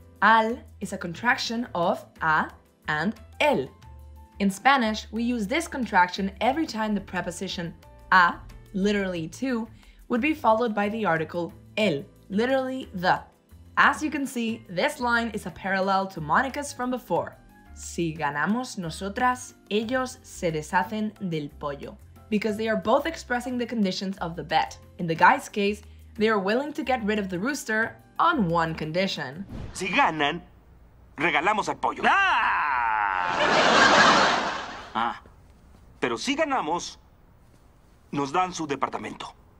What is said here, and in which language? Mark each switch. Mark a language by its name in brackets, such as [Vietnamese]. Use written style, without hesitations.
[English] Al is a contraction of a and el. In Spanish, we use this contraction every time the preposition a, literally to, would be followed by the article el. Literally, the. As you can see, this line is a parallel to Monica's from before. [Spanish] Si ganamos nosotras, ellos se deshacen del pollo. [English] Because they are both expressing the conditions of the bet. In the guy's case, they are willing to get rid of the rooster on one condition. [Spanish] Si ganan, regalamos al pollo. ¡Ah! Ah. Pero si ganamos, nos dan su departamento.